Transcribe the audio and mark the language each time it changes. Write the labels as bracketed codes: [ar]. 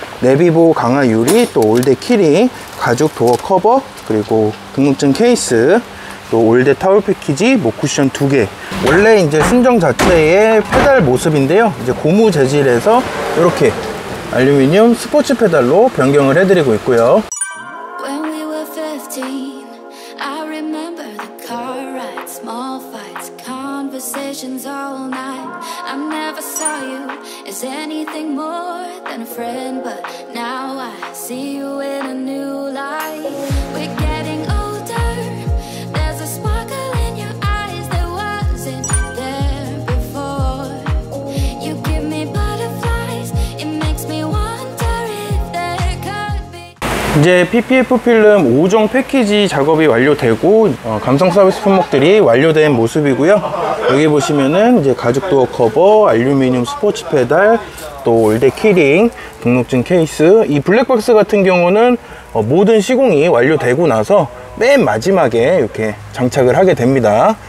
[ko] 내비보 강화 유리, 또 올데 키링, 가죽 도어 커버, 그리고 등록증 케이스, 또 올데 타월 패키지, 목쿠션 두 개. 원래 이제 순정 자체의 페달 모습인데요. 이제 고무 재질에서 이렇게 알루미늄 스포츠 페달로 변경을 해드리고 있고요. [en] When we were 15, I remember the car ride, small fights, conversations all night. I never saw you as anything more than a friend, but now I see you in a new light. We're getting older. There's a sparkle in your eyes that wasn't there before. You give me butterflies. It makes me wonder if there could be. [ko] 이제 PPF 필름 5종 패키지 작업이 완료되고 감성 서비스 품목들이 완료된 모습이고요. 여기 보시면은 이제 가죽 도어 커버, 알루미늄 스포츠 페달, 또 올데 키링, 등록증 케이스. 이 블랙박스 같은 경우는 모든 시공이 완료되고 나서 맨 마지막에 이렇게 장착을 하게 됩니다.